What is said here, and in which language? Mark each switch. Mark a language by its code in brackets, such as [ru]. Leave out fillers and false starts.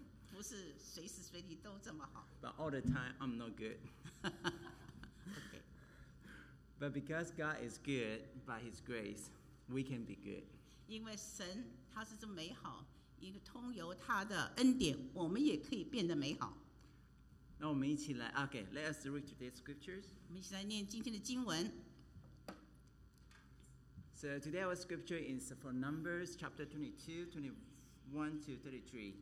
[zh] 不是随时随地都这么好。 [en] But all the time, I'm not good. Okay. But because God is good, by His grace, we can be good. [zh] 因为神他是这么美好，一个通由他的恩典，我们也可以变得美好。那我们一起来 [en] ，OK， let us read today's scriptures。 [zh] 我们一起来念今天的经文。 [en] So today our scripture is for Numbers chapter 22:21-33。